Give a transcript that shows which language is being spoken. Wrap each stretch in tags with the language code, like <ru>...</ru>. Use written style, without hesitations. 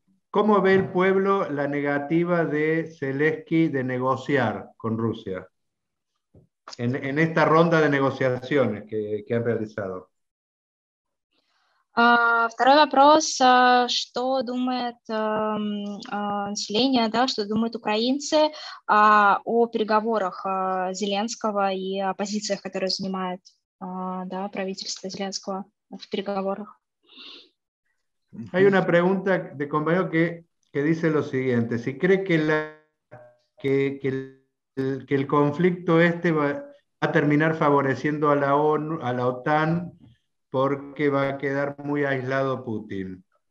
<es>¿Cómo ve el pueblo la negativa de Zelensky de negociar con Rusia? En esta ronda de negociaciones que han realizado.</es> <ru>Второй вопрос. Что думает население, да, что думают украинцы о переговорах Зеленского и о позициях, которые занимает да, правительство Зеленского в переговорах?</ru> <es>Hay una pregunta de compañero que dice lo siguiente. Si cree que, la, que el conflicto este va... a terminar favoreciendo a la ONU, a la OTAN, porque va a quedar muy aislado Putin.</es>